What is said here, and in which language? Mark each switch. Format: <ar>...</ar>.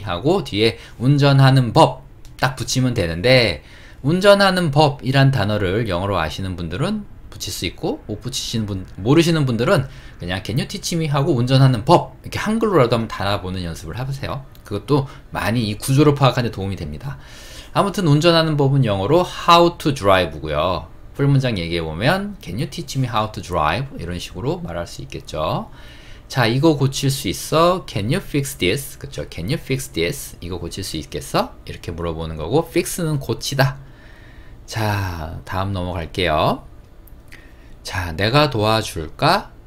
<ko>하고 뒤에 운전하는 법딱 붙이면 되는데, 운전하는 법이란 단어를 영어로 아시는 분들은 붙일 수 있고, 못 붙이시는 분, 모르시는 분들은 그냥</ko> <en>Can you teach me?</en> <ko>하고 운전하는 법. 이렇게 한글로라도 한번 달아보는 연습을 해보세요. 그것도 많이 이 구조를 파악하는 데 도움이 됩니다. 아무튼 운전하는 법은 영어로</ko> <en>How to drive</en> <ko>고요. 풀 문장 얘기해보면</ko> <en>Can you teach me how to drive?</en> <ko>이런 식으로 말할 수 있겠죠. 자, 이거 고칠 수 있어?</ko> <en>Can you fix this? 그쵸. Can you fix this?</en> <ko>이거 고칠 수 있겠어? 이렇게 물어보는 거고, fix는 고치다. 자, 다음 넘어갈게요. 자, 내가 도와줄까?</ko>